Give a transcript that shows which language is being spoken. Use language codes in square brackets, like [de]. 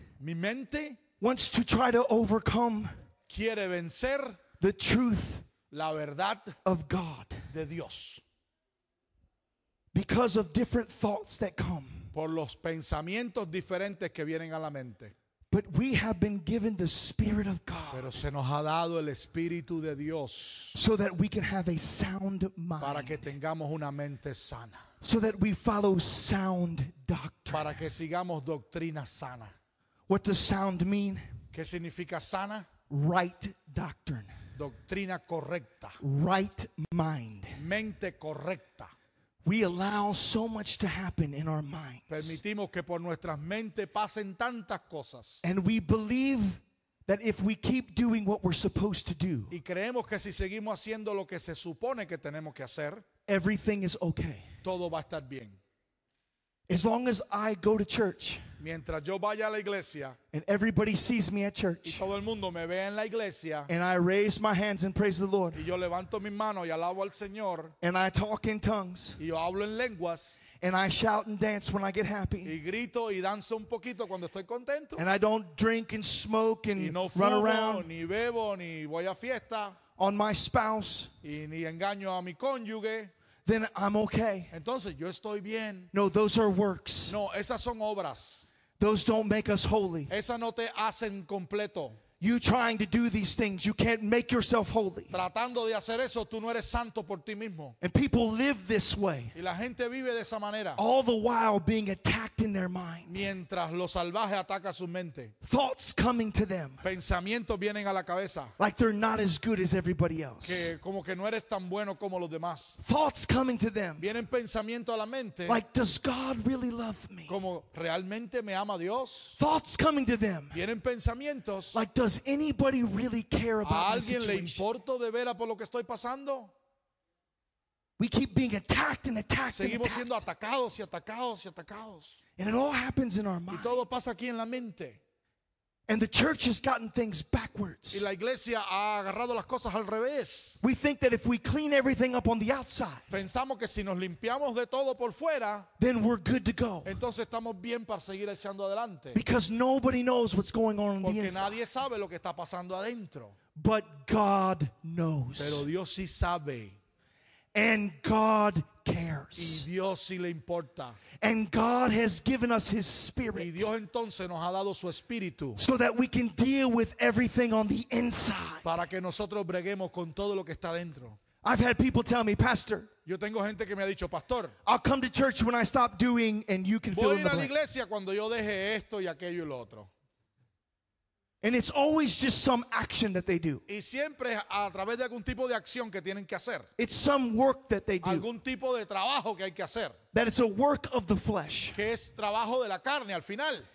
[es] mi mente, [en] wants to try to overcome, [es] quiere vencer, [en] the truth, [es] la verdad, [en] of God, [es] de Dios, [en] because of different thoughts that come, [es] por los pensamientos diferentes que vienen a la mente. [en] But we have been given the Spirit of God. [es] Pero se nos ha dado el Espíritu de Dios. [en] So that we can have a sound mind. [es] Para que tengamos una mente sana. [en] So that we follow sound doctrine. [es] Para que sigamos doctrina sana. [en] What does sound mean? [es] ¿Qué significa sana? [en] Right doctrine. [es] Doctrina correcta. [en] Right mind. [es] Mente correcta. [en] We allow so much to happen in our minds. [es] Permitimos que por nuestras mentes pasen tantas cosas. [en] And we believe that if we keep doing what we're supposed to do, [es] y creemos que si seguimos haciendo lo que se supone que tenemos que hacer, [en] everything is okay. [es] Todo va a estar bien. [en] As long as I go to church, [es] mientras yo vaya a la iglesia, [en] and everybody sees me at church, [es] y todo el mundo me ve en la iglesia, [en] and I raise my hands and praise the Lord, [es] y yo levanto mis manos y alabo al Señor, [en] and I talk in tongues, [es] y yo hablo en lenguas, [en] and I shout and dance when I get happy, [es] y grito y danzo un poquito cuando estoy contento, [en] and I don't drink and smoke and [es] y no fumo, [en] run around, [es] ni bebo, ni voy a fiesta, [en] on my spouse, [es] y ni engaño a mi cónyuge, [en] then I'm okay. [es] Entonces, yo estoy bien. [en] No, those are works. [es] No, esas son obras. [en] Those don't make us holy. [es] Esa no te hacen completo. [en] You trying to do these things, you can't make yourself holy. [es] Tratando de hacer eso, tú no eres santo por ti mismo. [en] And people live this way. [es] Y la gente vive de esa manera. [en] All the while being attacked in their mind. [es] Mientras lo salvaje ataca su mente. [en] Thoughts coming to them. [es] Pensamientos vienen a la cabeza. [en] Like they're not as good as everybody else. [es] Que como que no eres tan bueno como los demás. [en] Thoughts coming to them. [es] Vienen pensamientos a la mente. [en] Like, does God really love me? [es] Como realmente me ama Dios. [en] Thoughts coming to them. [es] Vienen pensamientos. [en] Like, does anybody really care about this situation? [es] ¿A alguien le importo de vera por lo que estoy pasando? [en] We keep being attacked and attacked. [es] Seguimos siendo atacados y atacados y atacados. [en] And it all happens in our mind. [es] Y todo pasa aquí en la mente. [en] And the church has gotten things backwards. [es] Y la iglesia ha agarrado las cosas al revés. [en] We think that if we clean everything up on the outside, [es] pensamos que si nos limpiamos de todo por fuera, [en] then we're good to go. [es] Entonces estamos bien para seguir echando adelante. [en] Because nobody knows what's going on [es] porque [en] on the inside. [es] Porque nadie sabe lo que está pasando adentro. [en] But God knows. [es] Pero Dios sí sabe. [en] And God cares. [es] Y Dios sí le importa. [en] And God has given us His Spirit. [es] Y Dios entonces nos ha dado su espíritu. [en] So that we can deal with everything on the inside. [es] Para que nosotros breguemos con todo lo que está dentro. [en] I've had people tell me, Pastor. [es] Yo tengo gente que me ha dicho, Pastor. [en] I'll come to church when I stop doing, and you can fill in the blank. [es] Voy a ir a la iglesia cuando yo deje esto y aquello y lo otro. [en] And it's always just some action that they do. [es] Y siempre a través de algún tipo de acción que tienen que hacer. [en] It's some work that they do. [es] Algún tipo de trabajo que hay que hacer. [en] That it's a work of the flesh. [es] Que es trabajo de la carne al final.